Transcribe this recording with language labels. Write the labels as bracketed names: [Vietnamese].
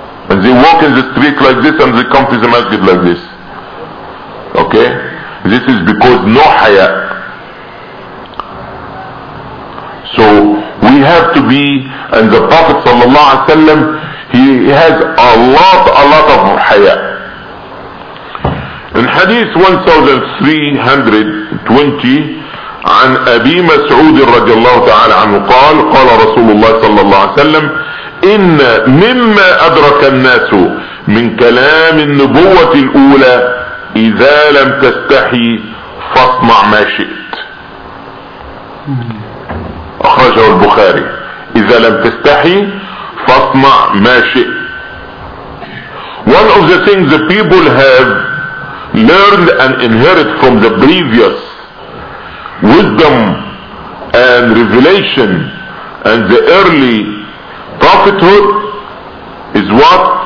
[English] And they walk in the street like this and they come to the masjid like this. Okay? This is because no haya. So we have to be, and the Prophet sallallahu alaihi wasallam, he has a lot of haya. In Hadith 1320 [Arabic] عن أبي مسعود رضي الله تعالى عنه قال قال رسول الله صلى الله عليه وسلم إن مما أدرك الناس من كلام النبوة الأولى إذا لم تستحي فاصنع ما شئت. أخرجه البخاري. إذا لم تستحي فاصنع ما شئت. [English] One of the things the people have learned and inherited from the previous wisdom and revelation and the early prophethood is what?